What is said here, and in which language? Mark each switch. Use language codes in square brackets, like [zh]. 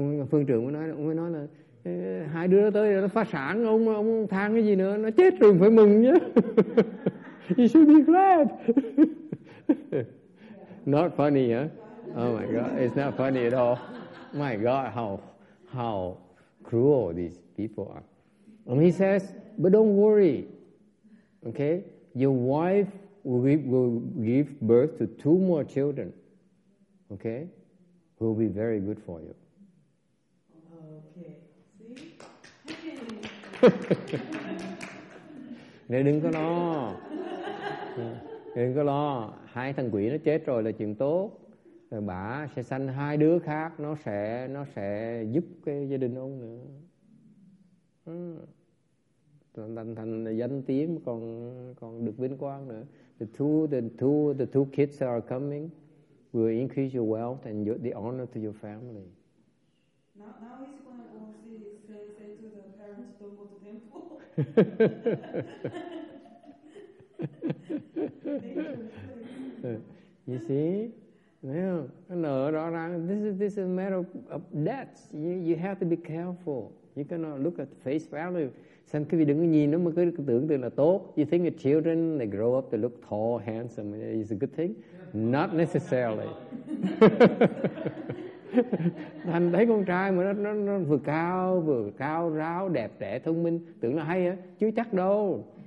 [vi] Phương trưởng mới nói là hai đứa nó tới nó phá sản, ông than cái gì nữa, nó chết rồi phải mừng nhá. [en] You should be glad. Not funny, huh? Oh my God, it's not funny at all. My God, how cruel these people are. And he says, but don't worry. Okay? Your wife will give birth to 2 more children. Okay? Who will be very good for you. Okay. See? [vi] Nên đừng có lo. Đừng có lo. Hai thằng quỷ nó chết rồi là chuyện tốt. Rồi bà sẽ sanh 2 đứa khác. Nó sẽ giúp cái gia đình ông nữa. Thành danh tiếng còn được vinh quang nữa. [en] The two kids that are coming will increase your wealth and the honor to your family. Now he's going to say to the parents, don't go to the temple. You see? Yeah. No, [vi] rõ ràng. [en] This is a matter of debts. You have to be careful. You cannot look at face value. [vi] Xem quý vị đừng có nhìn nó mà cứ tưởng tượng là tốt. [en] You think your children, they grow up, they look tall, handsome. It's a good thing. Not necessarily. [vi] Thành thấy con trai mà nó vừa cao ráo, đẹp đẽ, thông minh, tưởng là hay á, chứ chắc đâu.